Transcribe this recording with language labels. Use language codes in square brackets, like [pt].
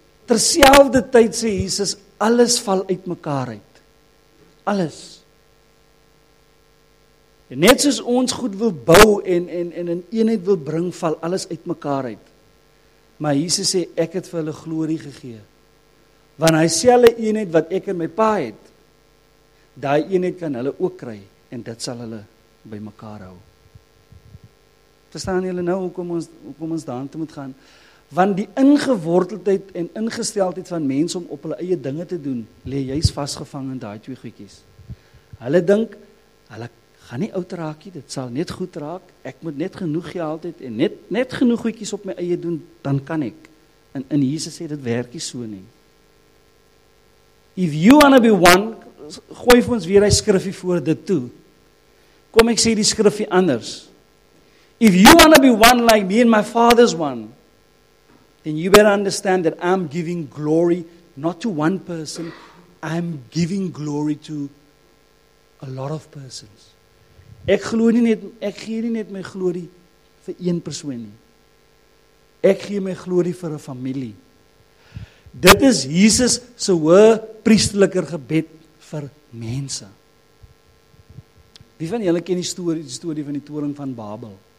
[af] Terselfde tyd sê Jesus, alles val uit mekaar uit. Alles. En net soos ons goed wil bou en in eenheid wil bring, val alles uit mekaar uit. Maar Jesus sê, ek het vir hulle glorie gegee. Want hy sê hulle eenheid wat ek en my pa het, daai eenheid kan hulle ook kry, en dit sal hulle by mekaar hou. Verstaan julle nou hoekom ons daarin te moet gaan? Want die ingeworteldheid en ingesteldheid van mense om op hulle eie dinge te doen, lê juist vasgevang in daai twee goedjies. Hulle dink, hulle gaan nie oud raak nie, dit sal net goed raak, ek moet net genoeg gehaald het en net genoeg goedjies op my eie doen, dan kan ek. En in Jesus sê, dit werk nie so nie. [en] If you wanna be one, [af] gooi vir ons weer die skrifie voor dit toe. Kom, ek sê die skrifie anders. [en] If you wanna be one like me and my father's one, then you better understand that I'm giving glory not to one person, I'm giving glory to a lot of persons. [af] Ek gee nie net my glorie vir een persoon nie. Ek gee my glorie vir 'n familie. Dit is Jesus se hoë priesterlike gebed vir mense. Wie van julle ken die storie van die toring van Babel?